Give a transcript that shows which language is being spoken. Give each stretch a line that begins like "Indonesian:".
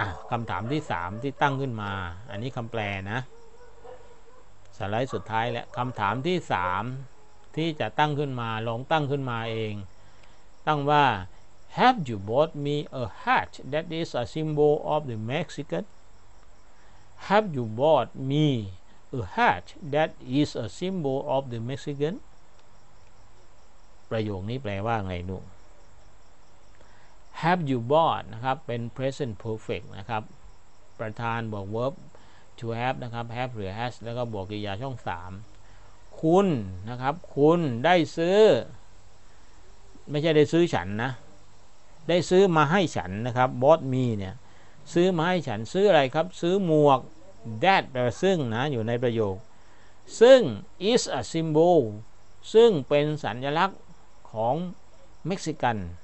Thai: คำถามที่3ที่ตั้งขึ้นมาอันนี้คำแปลนะสไลด์สุดท้ายและคำถามที่3ที่จะตั้งขึ้นมาลองตั้งขึ้นมาเองตั้งว่า
English: Have you bought me a hat that is a symbol of the Mexican? Have you bought me a hat that is a symbol of the Mexican?
Thai: ประโยคนี้แปลว่าไงลูก
English: Have you bought
Thai: นะครับเป็น present perfect นะครับประธานบอก verbToo have นะครับ have หรือ has แล้วก็บวกกริยาช่อง3ค คุณนะครับคุณได้ซื้อไม่ใช่ได้ซื้อฉันนะได้ซื้อมาให้ฉันนะครับ
English: bought me
Thai: เนี่ยซื้อมาให้ฉันซื้ออะไรครับซื้อหมวก that แปลว่าซึ่งนะอยู่ในประโยคซึ่ง
English: is a symbol
Thai: ซึ่งเป็นสัญลักษณ์ของเม็กซิกัน